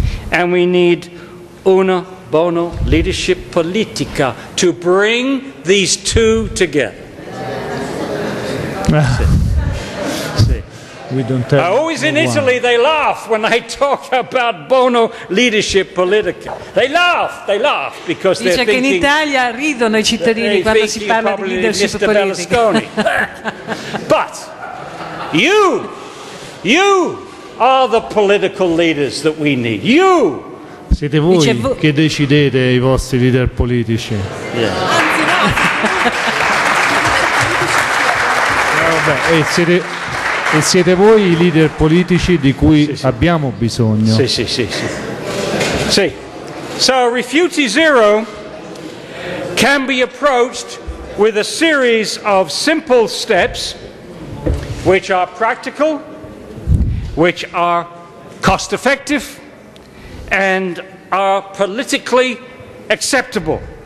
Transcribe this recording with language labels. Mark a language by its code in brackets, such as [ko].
[en] And we need [it] una buona leadership politica [en] to bring these two together. I always in Italy they laugh when I talk about [it] bono leadership politica. [en] They laugh because they're thinking. [it] Dice che in Italia ridono i cittadini quando si parla di leadership politica. [en] But you are the political leaders that we need. You. [it] Siete voi che decidete i vostri leader politici. Anzi no. Vabbè, e siete voi i leader politici di cui abbiamo bisogno. Sì. [en] So Rifiuti Zero can be approached with a series of simple steps which are practical, which are cost effective and are politically acceptable.